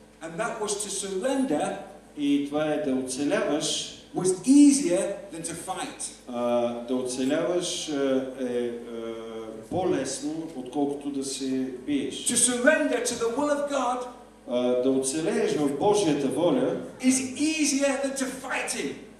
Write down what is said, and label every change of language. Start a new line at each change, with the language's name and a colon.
English: And that was to surrender.
Bulgarian: И това е да оцеляваш.
English: Was easier than to fight.
Bulgarian: Да оцеляваш е по-лесно, отколкото да се биеш.
English: To surrender to the will of God.
Bulgarian: Да оцелееш в Божията воля.
English: Is easier than to fight it.